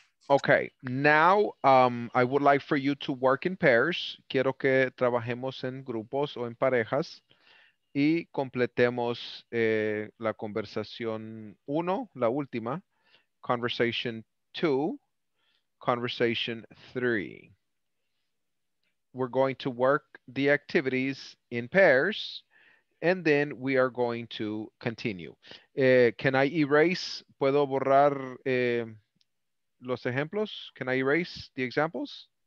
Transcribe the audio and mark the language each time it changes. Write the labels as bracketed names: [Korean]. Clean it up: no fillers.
[English] Okay, now I would like for you to work in pairs. [Spanish] Quiero que trabajemos en grupos o en parejas y completemos la conversación uno, la última, [English] conversation two, conversation three. We're going to work the activities in pairs and then we are going to continue. Can I erase? [Spanish] ¿Puedo borrar los ejemplos? [English] Can I erase the examples?